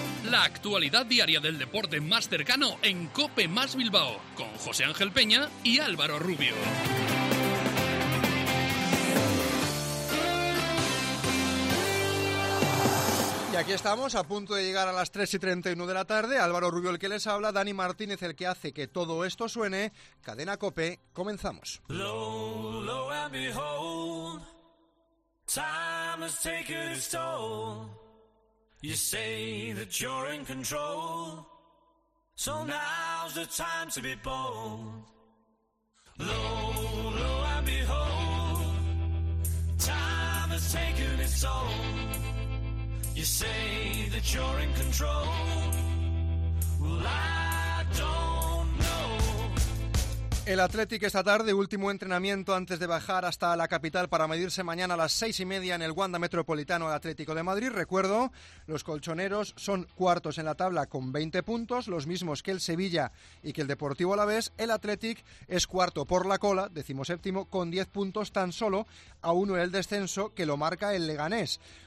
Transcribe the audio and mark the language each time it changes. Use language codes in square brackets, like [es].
[es] La actualidad diaria del deporte más cercano en COPE Más Bilbao, con José Ángel Peña y Álvaro Rubio. Y aquí estamos, a punto de llegar a las 3:31 de la tarde. Álvaro Rubio el que les habla, Dani Martínez el que hace que todo esto suene. Cadena COPE, comenzamos. [en] Low and behold, time has taken its toll. You say that you're in control, so now's the time to be bold. Low, low and behold, time has taken its toll. You say that you're in control, well I don't know. [es] El Athletic esta tarde, último entrenamiento antes de bajar hasta la capital para medirse mañana a las 6:30 en el Wanda Metropolitano al Atlético de Madrid. Recuerdo, los colchoneros son cuartos en la tabla con 20 puntos, los mismos que el Sevilla y que el Deportivo Alavés. El Athletic es cuarto por la cola, 17º, con 10 puntos tan solo a uno del descenso que lo marca el Leganés.